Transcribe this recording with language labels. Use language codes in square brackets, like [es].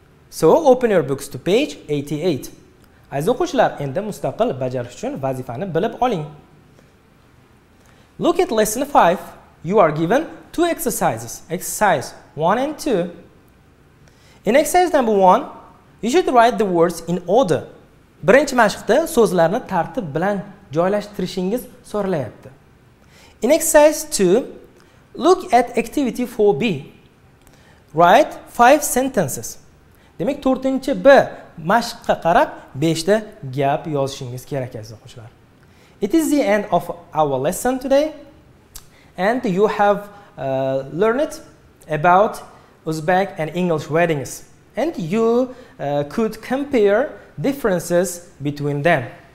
[en] So, open your books to page 88. [uz] Aziz o'quvchilar, endi mustaqil bajarish uchun vazifani bilib oling. [en] Look at lesson 5. You are given two exercises. Exercise 1 and 2. In exercise number 1, you should write the words in order. [uz] Birinchi mashqda so'zlarni tartib bilan joylashtirishingiz so'ralyapti. [en] In exercise 2, look at activity 4B. Write 5 sentences. [uz] Demak, 4B mashqqa qarab 5ta gap yozishingiz kerak aziz o'quvchilar. [en] It is the end of our lesson today and you have learned about Uzbek and English weddings and you could compare differences between them.